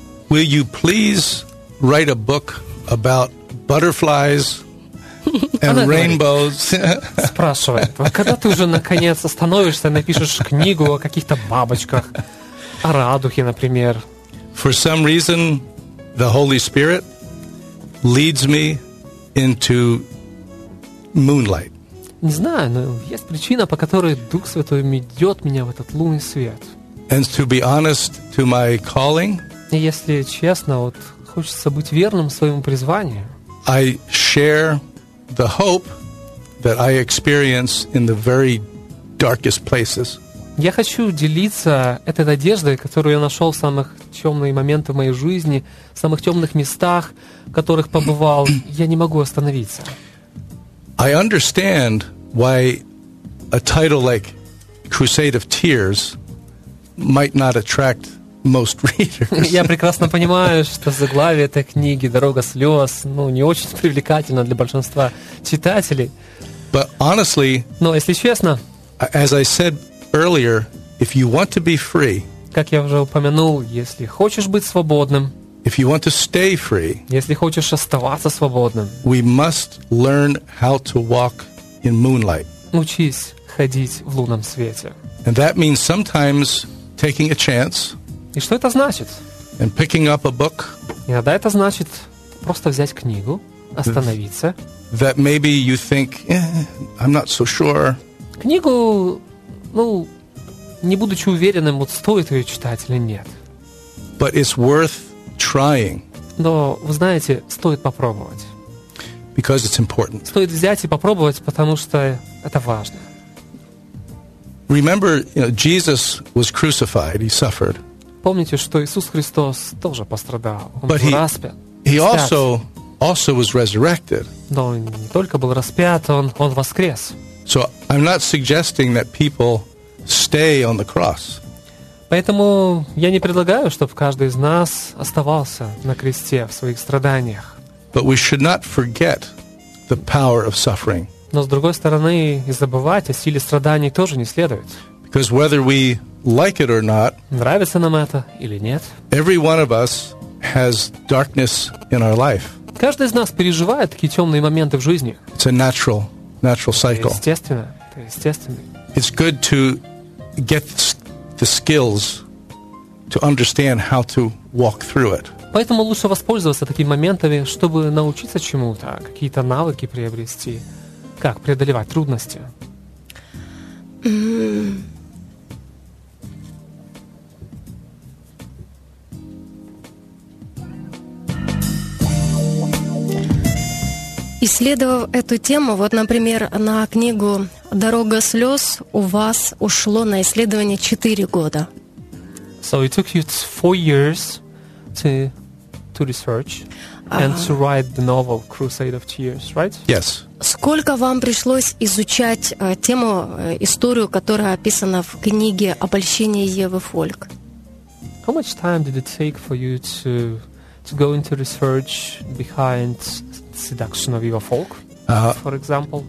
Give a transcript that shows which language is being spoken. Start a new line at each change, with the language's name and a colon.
English: Will you please write a book about butterflies and rainbows?
Russian: Спрашивает, когда ты уже наконец остановишься и напишешь книгу о каких-то бабочках? О радуге, например.
English: For some reason, the Holy Spirit leads me into moonlight.
Russian: Не знаю, но есть причина, по которой Дух Святой ведет меня в этот лунный свет.
English: And to be honest to my calling,
Russian: если честно, вот хочется быть верным своему призванию.
English: I share the hope that I experience in the very darkest places.
Russian: Я хочу делиться этой надеждой, которую я нашел в самых темные моменты в моей жизни, в самых темных местах, в которых побывал. Я не могу остановиться.
English: I understand why a title like Crusade of Tears might not attract most readers.
Russian: Я прекрасно понимаю, что заглавие этой книги «Дорога слез» ну, не очень привлекательно для большинства читателей.
English: But honestly,
Russian: но, если честно,
English: as I said earlier, if you want to be free,
Russian: как я уже упомянул, если хочешь быть свободным,
English: if you want to stay free,
Russian: если хочешь оставаться свободным,
English: we must learn how to walk in moonlight.
Russian: Учись ходить в лунном свете.
English: And that means sometimes taking a chance.
Russian: И что это значит?
English: And picking up a book.
Russian: Иногда это значит просто взять книгу, остановиться.
English: That maybe you think, I'm not so sure.
Russian: Книгу, ну, не будучи уверенным, вот стоит ее читать или нет.
English: But it's worth trying.
Russian: Но, вы знаете, стоит попробовать.
English: Because it's important.
Russian: Стоит взять и попробовать, потому что это важно.
English: Remember, you know, Jesus was crucified, he suffered.
Russian: Помните, что Иисус Христос тоже пострадал. Он был распят.
English: He also was resurrected.
Russian: Но он не только был распят, он воскрес.
English: So I'm not suggesting that people stay on the cross.
Russian: Поэтому я не предлагаю, чтобы каждый из нас оставался на кресте в своих страданиях.
English: But we should not forget the power of suffering.
Russian: Но с другой стороны, и забывать о силе страданий тоже не следует.
English: Because whether we like it or not,
Russian: нравится нам это или нет,
English: every one of us has darkness in our life.
Russian: Каждый из нас переживает такие темные моменты в жизни.
English: It's a natural cycle.
Russian: Это естественно.
English: It's good to get the skills to understand how to walk through it.
Russian: Поэтому лучше воспользоваться такими моментами, чтобы научиться чему-то, какие-то навыки приобрести, как преодолевать трудности. Исследовав эту тему, вот, например, на книгу «Дорога слез» у вас ушло на исследование 4 года.
English: So it took you 4 years to research. and to write the novel Crusade of Tears, right? Yes.
Russian: Сколько вам пришлось изучать тему, историю, которая описана в книге «Обольщение Евы Фольк»?
English: How much time did it take for you to go into research behind seduction of Eva Falk, for example?